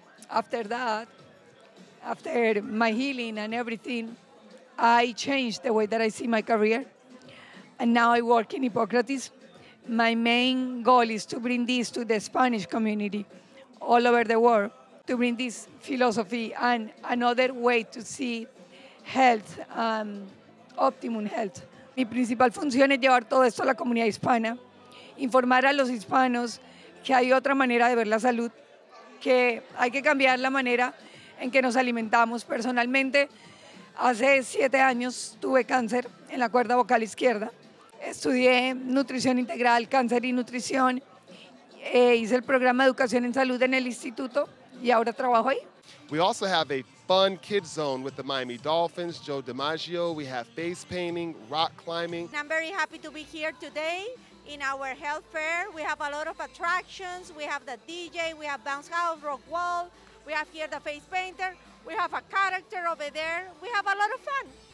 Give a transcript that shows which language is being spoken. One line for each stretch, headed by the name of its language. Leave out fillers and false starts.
English: After that, after my healing and everything, I changed the way that I see my career. And now I work in Hippocrates. My main goal is to bring this to the Spanish community all over the world, to bring this philosophy and another way to see health, optimum health.
Spanish: Mi principal función es llevar todo esto a la comunidad hispana, informar a los hispanos que hay otra manera de ver la salud, que hay que cambiar la manera en que nos alimentamos. Personalmente, hace 7 años tuve cáncer en la cuerda vocal izquierda. Estudié nutrición integral, cáncer y nutrición. Hice el programa de educación en salud en el instituto y ahora trabajo ahí.
English: We also have a fun kids zone with the Miami Dolphins, Joe DiMaggio. We have face painting, rock climbing. I'm very happy to be here today in our health fair. We have a lot of attractions. We have the DJ, we have bounce house, rock wall. We have here the face painter. We have a character over there. We have a lot of fun.